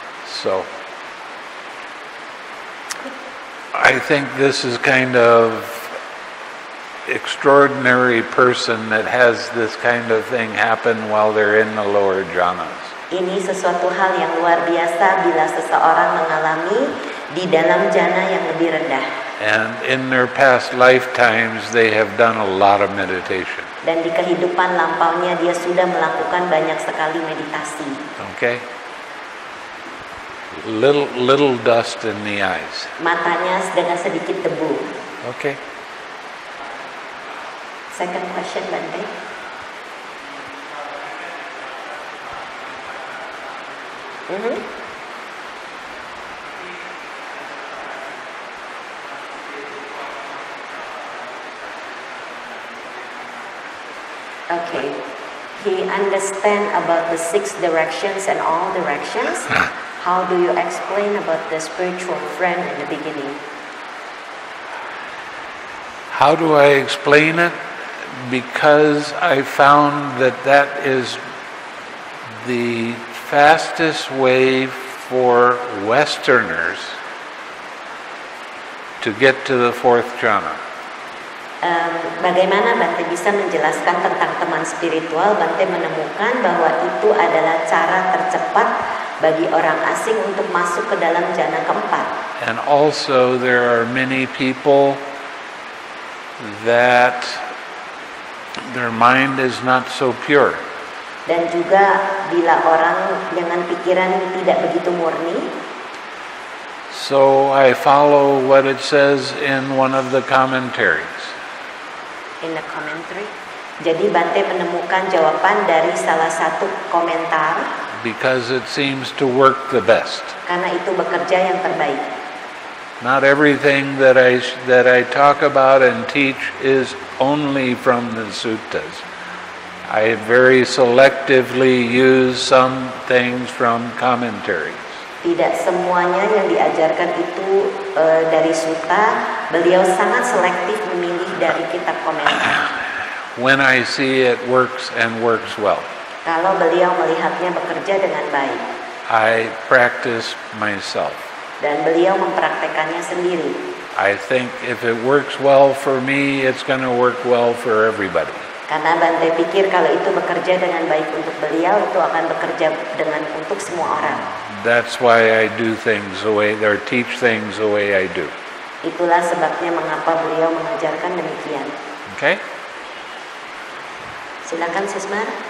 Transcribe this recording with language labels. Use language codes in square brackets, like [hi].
[en] So, I think this is kind of extraordinary person that has this kind of thing happen while they're in the lower jhanas. [id] Ini sesuatu hal yang luar biasa bila seseorang mengalami di dalam jhana yang lebih rendah. [en] And in their past lifetimes, they have done a lot of meditation. [id] Dan di kehidupan lampaunya, dia sudah melakukan banyak sekali meditasi. [en] Okay. Little dust in the eyes. [id] Matanya dengan sedikit debu. [en] Okay. Second question, Bante. Okay. He understand about the six directions and all directions. How do you explain about the spiritual friend in the beginning? How do I explain it? Because I found that that is the fastest way for Westerners to get to the fourth jhana. [id] Bagaimana Bhante bisa menjelaskan tentang teman spiritual? Bhante menemukan bahwa itu adalah cara tercepat bagi orang asing untuk masuk ke dalam jhana keempat. [en] And also there are many people that their mind is not so pure. [id] Dan juga bila orang dengan pikiran tidak begitu murni. [en] So I follow what it says in one of the commentaries. In the commentary. [id] Jadi Bhante menemukan jawaban dari salah satu komentar. [en] Because it seems to work the best. [id] Karena itu bekerja yang terbaik. [en] Not everything that I talk about and teach is only from the suttas. I very selectively use some things from commentaries. [id] Tidak semuanya yang diajarkan itu dari sutta. Beliau sangat selektif memilih dari kitab komentar. [en] When I see it works and works well. [id] Kalau beliau melihatnya bekerja dengan baik. [en] I practice myself. [id] Dan beliau mempraktekannya sendiri. [en] I think if it works well for me, it's going to work well for everybody. [id] Karena Bhante pikir kalau itu bekerja dengan baik untuk beliau, itu akan bekerja dengan untuk semua orang. [en] That's why I do things the way, or teach things the way I do. [id] Itulah sebabnya mengapa beliau mengajarkan demikian. [en] Okay. [id] Silakan Sismar.